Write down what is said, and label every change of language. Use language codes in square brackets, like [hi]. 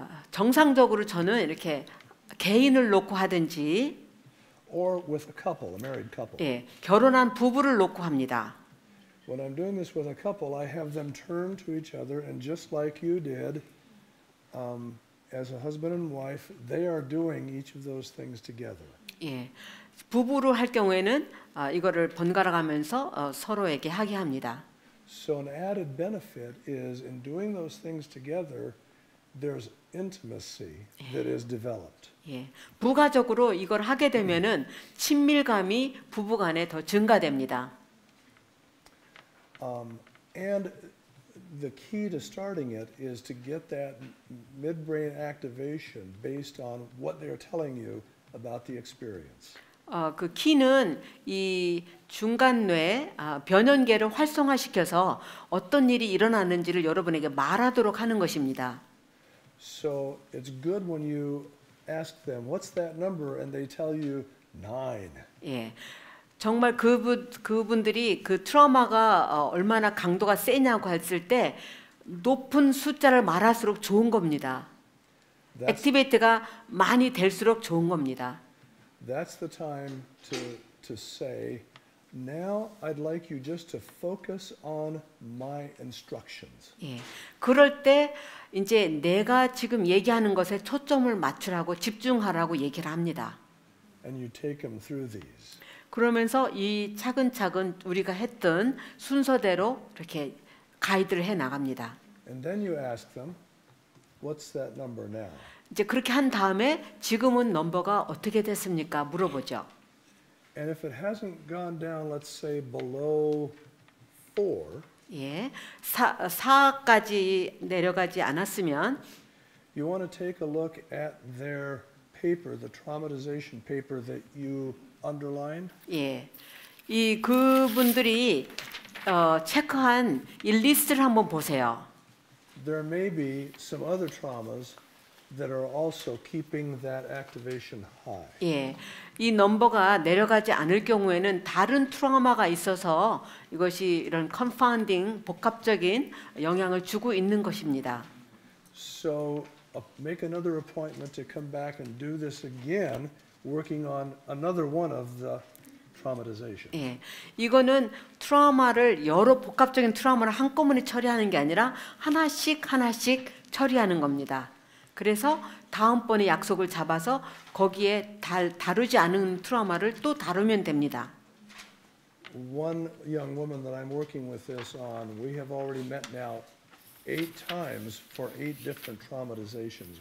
[ko] 정상적으로 저는 이렇게 개인을 놓고 하든지 [en] or with a couple, a married couple. [ko] 예, 결혼한 부부를 놓고 합니다. [en] When I'm doing this with a couple, I have them turn to each other and just like you did, as a husband and wife, they are doing each of those things together. [ko] 예, 부부로 할 경우에는 이거를 번갈아 가면서 서로에게 하게 합니다. [en] So an added benefit is in doing those things together, there's intimacy that is developed. [ko] 예, 부가적으로 이걸 하게 되면은 친밀감이 부부 간에 더 증가됩니다. [en] And the key to starting it is to get that midbrain activation based on what they're telling you about the experience. [ko] 그 키는 이 중간뇌 변연계를 활성화시켜서 어떤 일이 일어났는지를 여러분에게 말하도록 하는 것입니다. [en] So it's good when you ask them, what's that number? And they tell you nine. [ko] 예. 정말 그분들이 그 트라우마가 얼마나 강도가 세냐고 했을 때 높은 숫자를 말할수록 좋은 겁니다. 액티베이트가 많이 될수록 좋은 겁니다. [en] That's the time to say, now I'd like you just to focus on my instructions. [ko] 예, 그럴 때 이제 내가 지금 얘기하는 것에 초점을 맞추라고 집중하라고 얘기를 합니다. [en] And you take them through these. [ko] 그러면서 이 차근차근 우리가 했던 순서대로 이렇게 가이드를 해 나갑니다. [en] And then you ask them, what's that number now? [ko] 이제 그렇게 한 다음에 지금은 넘버가 어떻게 됐습니까? 물어보죠. [en] And if it hasn't gone down, let's say below 4. [ko] 예. 4까지 내려가지 않았으면 [en] you want to take a look at their paper, the traumatization paper that you underlined. [ko] 예. 이 그분들이 체크한 이 리스트를 한번 보세요. [en] There may be some other traumas that are also keeping that activation high. [ko] 예. 이 넘버가 내려가지 않을 경우에는 다른 트라우마가 있어서 이것이 이런 컨파운딩 복합적인 영향을 주고 있는 것입니다. [en] So make another appointment to come back and do this again. Working on another one of the traumatization. [ko] 예, 이거는 트라우마를 여러 복합적인 트라우마를 한꺼번에 처리하는 게 아니라 하나씩 하나씩 처리하는 겁니다. 그래서 다음번에 약속을 잡아서 거기에 다루지 않은 트라우마를 또 다루면 됩니다. [en] One young woman that I'm working with this on, we have already met now 8 times for 8 different traumatizations.